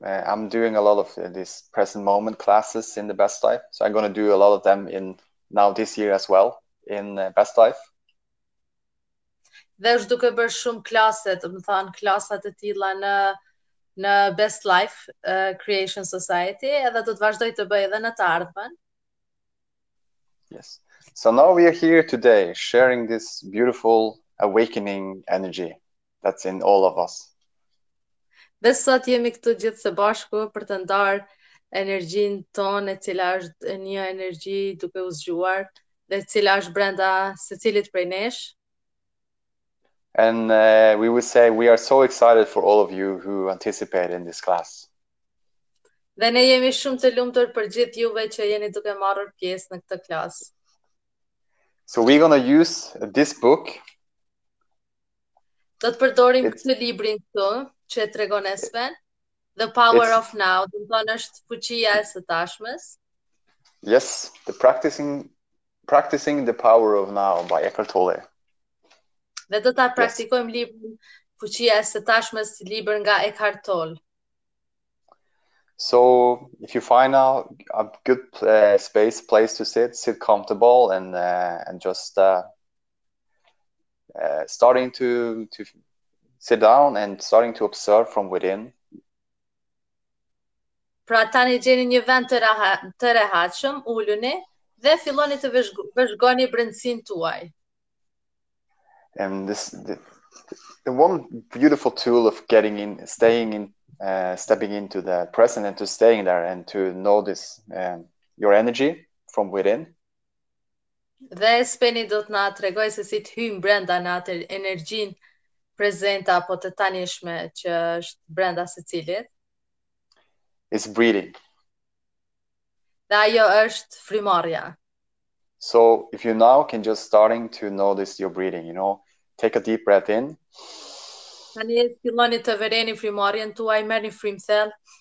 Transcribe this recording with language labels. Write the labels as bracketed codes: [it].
[en] I'm doing a lot of these present moment classes in the Best Life. So I'm going to do a lot of them in now this year as well in Best Life. [sq] Dhe është duke bërë shumë klase, të më thanë klasat e tila në Best Life Creation Society, edhe do të vazhdoj të bëj edhe në të ardhmen. [en] Yes. So now we are here today sharing this beautiful awakening energy that's in all of us. [sq] Dhe sot jemi këtu gjithë së bashku për të ndarë energjinë tonë, e cila është një energji duke u zgjuar dhe cila është brenda secilit prej nesh. [en] And we would say we are so excited for all of you who anticipate in this class. [sq] Dhe ne jemi shumë të lumtur për gjithë juve që jeni duke marrur pjesë në këtë klasë. [en] So we're going to use this book. [sq] Do të përdorim këtë librin këtu që e tregon Espen, The Power of Now, do të thonë është fuqia e së tashmës. [en] Yes, the practicing the power of now by Eckhart Tolle. [sq] Dhe do ta praktikojmë librin Fuqia e së tashmës, libër nga Eckhart Tolle. [en] So, if you find out a good place to sit comfortable and just starting to sit down and starting to observe from within. [sq] Pra tani gjeni një vend të rehatshëm, uluni dhe filloni të vëzhgoni brendësinë tuaj. [en] And the one beautiful tool of getting in, staying in, stepping into the present and to staying there and to notice your energy from within. [sq] Dhe Speni do të na tregoj se si të hyjmë brenda në atë energjinë prezente apo të tanishme që është brenda secilit. [en] It's breathing. [sq] Dhe ajo është frymarrja. [en] So if you now can just starting to notice your breathing, you know, take a deep breath in. [sq] Tani filloni të vëreni frymarrjen tuaj, merrni frymë thellë.